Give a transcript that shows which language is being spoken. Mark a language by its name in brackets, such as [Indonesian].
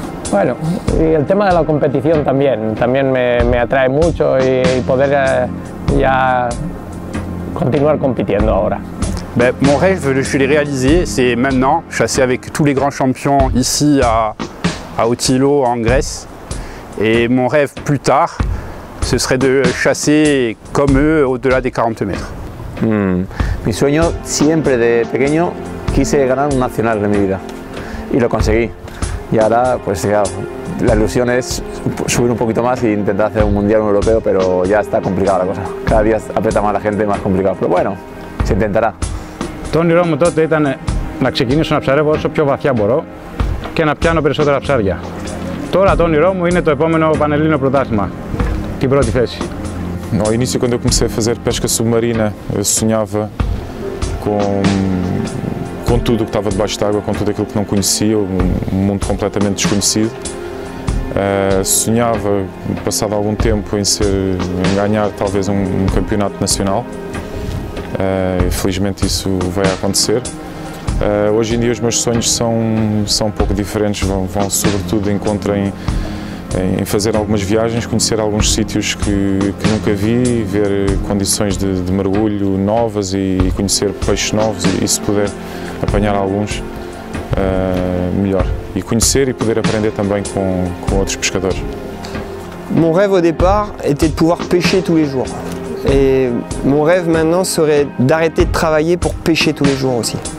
[Spanish] Bueno, y el tema de la competición también me atrae mucho y poder ya continuar compitiendo ahora. [French] Ben, mon rêve, je l'ai réalisé, c'est maintenant chasser avec tous les grands champions ici à Otilo, en Grèce. Et mon rêve plus tard, ce serait de chasser comme eux au-delà des 40 mètres. [Spanish] Mi sueño siempre de pequeño, quise ganar un nacional de mi vida. Y lo conseguí. Y ahora, pues claro, la ilusión es subir un poquito más e intentar hacer un mundial, un europeo, pero ya está complicada la cosa. Cada día aprieta más la gente, más complicado. Pero bueno, se intentará. [Greek] Το όνειρό μου τότε ήταν να ξεκινήσω να ψαρεύω όσο πιο βαθιά μπορώ και να πιάνω περισσότερα ψάρια. Τώρα το όνειρό μου είναι το επόμενο πανελλήνιο πρωτάθλημα, την πρώτη θέση. [Portuguese] No início, quando eu comecei a fazer pesca submarina, eu sonhava com tudo que estava debaixo d'água, com tudo aquilo que não conhecia, um mundo completamente desconhecido. Sonhava, passado algum tempo, em ganhar talvez um campeonato nacional. Felizmente isso veio a acontecer. Hoje em dia os meus sonhos são um pouco diferentes, vão sobretudo em fazer algumas viagens, conhecer alguns sítios que nunca vi, ver condições de mergulho novas e conhecer peixes novos e se puder apanhar alguns, melhor. E conhecer e poder aprender também com outros pescadores. [French] Mon rêve au départ était de pouvoir pêcher tous les jours. Et mon rêve maintenant serait d'arrêter de travailler pour pêcher tous les jours aussi.